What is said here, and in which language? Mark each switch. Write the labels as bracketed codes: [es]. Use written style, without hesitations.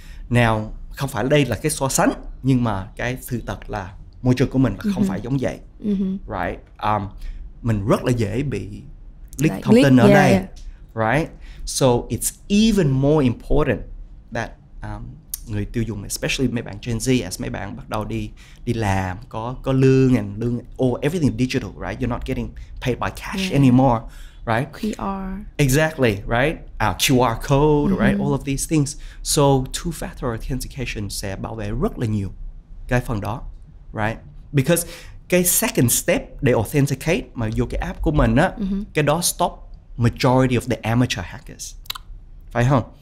[vi] Now, không phải đây là cái so sánh, nhưng mà cái sự thật là môi trường của mình là không phải giống vậy. [en] Right? [vi] Mình rất là dễ bị leak thông tin ở đây. [en] Right? So it's even more important that [vi] người tiêu dùng, [en] especially mấy bạn Gen Z, [vi] as mấy bạn bắt đầu đi làm, có lương, [en] and lương, oh, everything digital, right? You're not getting paid by cash anymore, right? QR. Exactly, right? QR code, right? All of these things. [vi] So two-factor authentication sẽ bảo vệ rất là nhiều cái phần đó, right? [en] Because [vi] cái second step để authenticate mà vô cái app của mình á, cái đó [en] stop majority of the amateur hackers. [vi] Phải không?